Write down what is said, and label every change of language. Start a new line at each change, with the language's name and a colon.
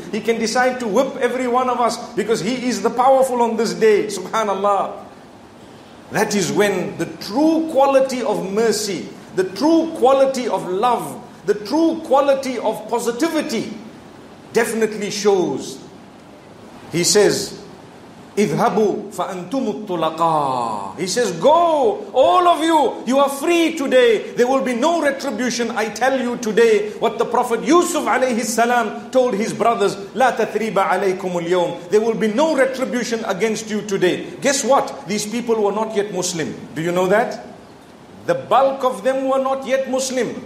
English: He can decide to whip every one of us because he is the powerful on this day. Subhanallah. That is when the true quality of mercy, the true quality of love, the true quality of positivity definitely shows. He says,
Arabic: اذهبوا فأنتم الطلقاء.
English: He says, go, all of you, you are free today. There will be no retribution. I tell you today what the Prophet Yusuf alayhi salam told his brothers,
Arabic: لا تثريب عليكم اليوم.
English: There will be no retribution against you today. Guess what? These people were not yet Muslim. Do you know that? The bulk of them were not yet Muslim.